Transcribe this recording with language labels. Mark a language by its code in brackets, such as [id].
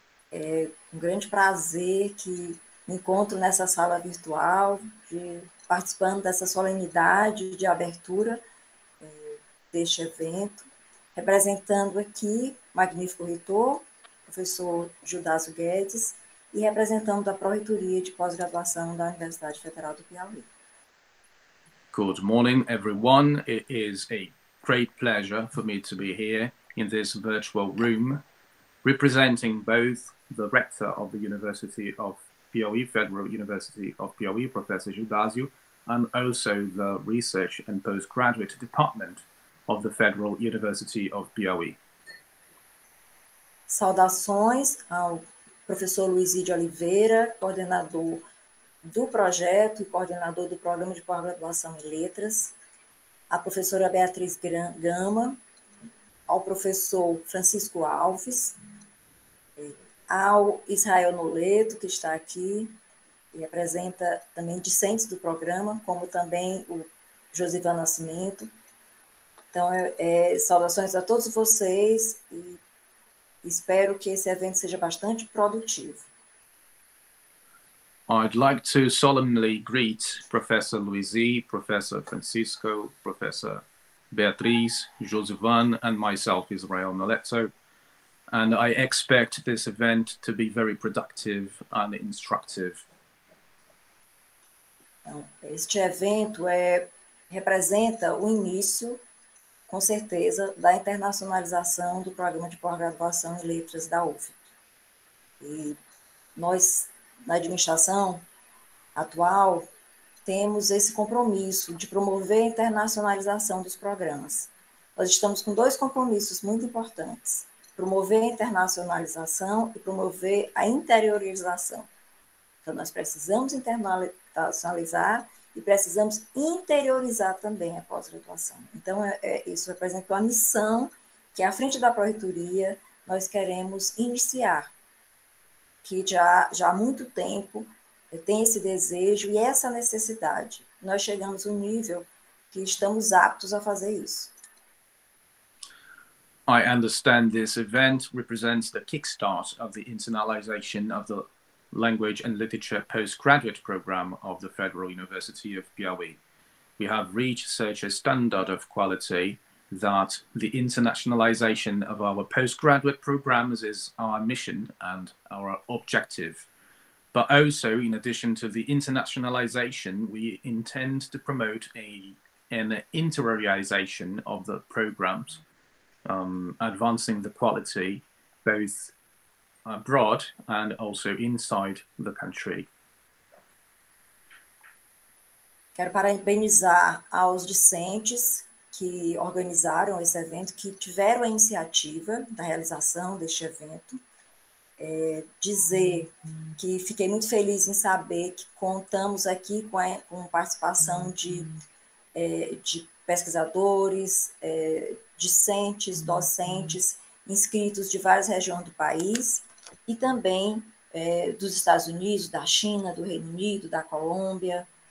[pt] É um grande prazer que me encontro nessa sala virtual, participando dessa solenidade de abertura deste evento, representando aqui o magnífico reitor, professor Judácio Guedes, e representando a Pró-Reitoria de Pós-Graduação da Universidade Federal do Piauí. [en] Good morning, everyone. It is a great pleasure for me to be here in this virtual room, representing both the rector of the University of Piauí, Federal University of Piauí, Professor Judácio, and also the Research and Postgraduate Department of the Federal University of Piauí. [pt] Saudações ao professor Luizir de Oliveira, coordenador do projeto e coordenador do Programa de Pós-Graduação em Letras, à professora Beatriz Gama, ao professor Francisco Alves, ao Israel Noleto, que está aqui e apresenta também discentes do programa, como também o Josivan Nascimento. Então, saudações a todos vocês e Espero que esse evento seja bastante produtivo. [en] I'd like to solemnly greet Professor Luizir, Professor Francisco, Professor Beatriz, Josivan, and myself, Israel Noletto. And I expect this event to be very productive and instructive. [pt] Então, este evento representa o início, com certeza, da internacionalização do programa de pós-graduação em letras da UFIT. E nós, na administração atual, temos esse compromisso de promover a internacionalização dos programas. Nós estamos com dois compromissos muito importantes: promover a internacionalização e promover a interiorização. Então, nós precisamos internacionalizar e precisamos interiorizar também a pós-graduação. Então, isso representa uma missão que, à frente da Pró-Reitoria, nós queremos iniciar, que já há muito tempo tem esse desejo e essa necessidade. Nós chegamos a um nível que estamos aptos a fazer isso. [en] I understand this event represents the kickstart of the internalization of the language and literature postgraduate program of the Federal University of Piauí. We have reached such a standard of quality that the internationalization of our postgraduate programs is our mission and our objective. But also, in addition to the internationalization, we intend to promote an interiorization of the programs, advancing the quality both abroad and also inside the country. [pt] Quero parabenizar aos discentes que organizaram esse evento, que tiveram a iniciativa da realização deste evento. Dizer que fiquei muito feliz em saber que contamos aqui com a participação de pesquisadores, discentes, docentes, inscritos de várias regiões do país e também dos Estados Unidos, da China, do Reino Unido, da Colômbia.